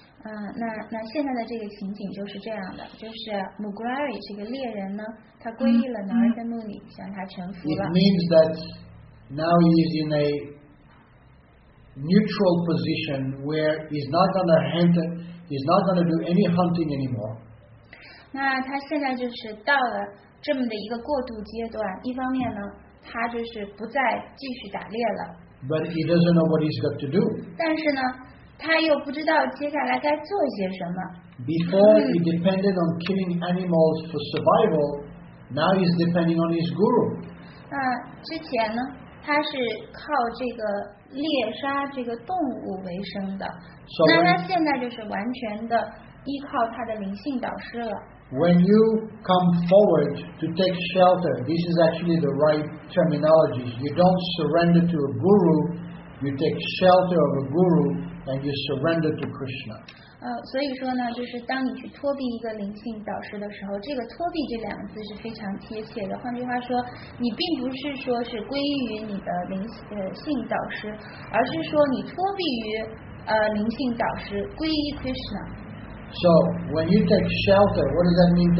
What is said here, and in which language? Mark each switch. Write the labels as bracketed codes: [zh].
[zh] 那现在的这个情景就是这样的，就是 Mugrari 这个猎人呢，他皈依了Narada Muni，向他臣服了。 [en] It means that now he is in a neutral position where he's not going to hunt, he's not going to do any hunting anymore. [zh] 那他现在就是到了这么的一个过渡阶段，一方面呢，他就是不再继续打猎了。 [en] But he doesn't know what he's got to do. [zh] 但是呢。他又不知道接下来该做些什么。 [en] Before he depended on killing animals for survival, now he's depending on his guru. [zh] 那之前呢，他是靠这个猎杀这个动物为生的。 So、那他现在就是完全的依靠他的灵性导师了。 [en] When you come forward to take shelter, this is actually the right terminology. You don't surrender to a guru, you take shelter of a guru. And you surrender to Krishna. [zh] 所以说呢，就是当你去托庇一个灵性导师的时候，这个托庇这两个字是非常贴切的。换句话说，你并不是说是归于你的灵性导师，而是说你托庇于灵性导师，归于 Krishna. [en] So when you take shelter, what does that mean?